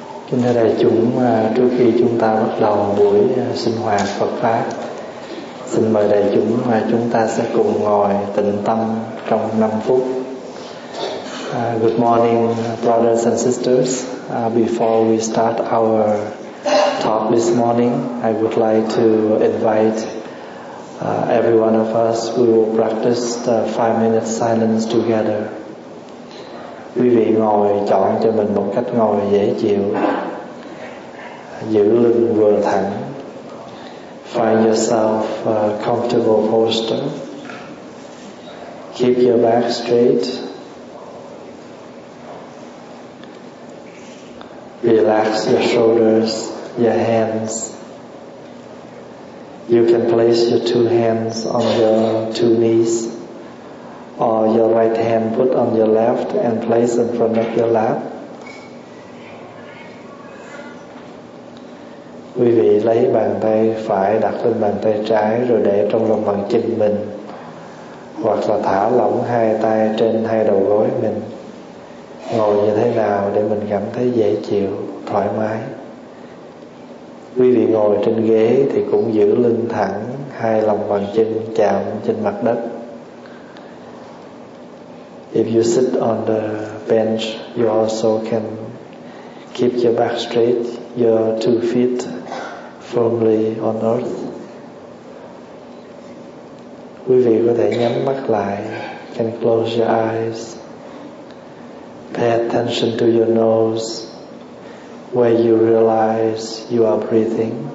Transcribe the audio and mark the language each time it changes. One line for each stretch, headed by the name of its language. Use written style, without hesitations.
Vietnamese: Kính thưa đại chúng, trước khi chúng ta bắt đầu buổi sinh hoạt Phật pháp, xin mời đại chúng chúng ta sẽ cùng ngồi tĩnh tâm trong 5 phút.
English: Good morning, brothers and sisters. Before we start our talk this morning, I would like to invite every one of us, we will practice the 5-minute silence together.
Vietnamese: Quý vị ngồi chọn cho mình một cách ngồi dễ chịu, giữ lưng vừa thẳng.
English: Find yourself a comfortable posture. Keep your back straight. Relax your shoulders, your hands. You can place your two hands on your two knees, or your right hand put on your left and place in front of your lap.
Vietnamese: Quý vị lấy bàn tay phải đặt lên bàn tay trái rồi để trong lòng bàn chân mình, hoặc là thả lỏng hai tay trên hai đầu gối mình. Ngồi như thế nào để mình cảm thấy dễ chịu, thoải mái. Quý vị ngồi trên ghế thì cũng giữ lưng thẳng, hai lòng bàn chân chạm trên mặt đất.
English: If you sit on the bench, you also can keep your back straight, your two feet firmly on earth.
Vietnamese: Quý vị có thể nhắm mắt lại,
English: can close your eyes. Pay attention to your nose, where you realize you are breathing.